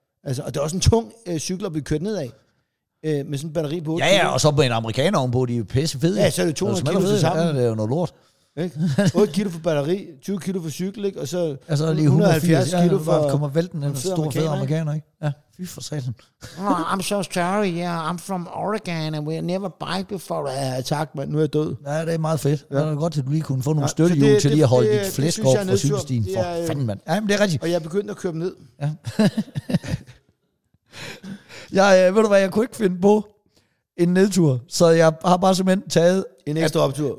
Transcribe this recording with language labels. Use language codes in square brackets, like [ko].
[da] Altså, og det er også en tung cykler, vi kører ned af. Med sådan en batteri på. Ja, ja, og så med en amerikaner ovenpå, de er pisse fede. Ja, så er det 200 kilo for sammen. Ja, det er jo noget lort. 8 kilo for batteri, 20 kilo for cykel, ikke? Og så, altså, lige 170 kilo for... Ja, kommer vælten en stor fed amerikaner, ikke? Ja, fy for salen. [en] I'm so sorry, yeah, I'm from Oregon, and we never bike before. [da] Ja, tak, men nu er jeg død. Ja, det er meget fedt. Ja. Det er godt, at du lige kunne få nogle støttehjul til lige at holde dit flæsk op fra cykelstien. For fanden, mand. Ja, men det er rigtigt. Og jeg begyndte at køre dem ned. Ja. Jeg ved du hvad, jeg kunne ikke finde på en nedtur, så jeg har bare simpelthen taget en ekstra optur.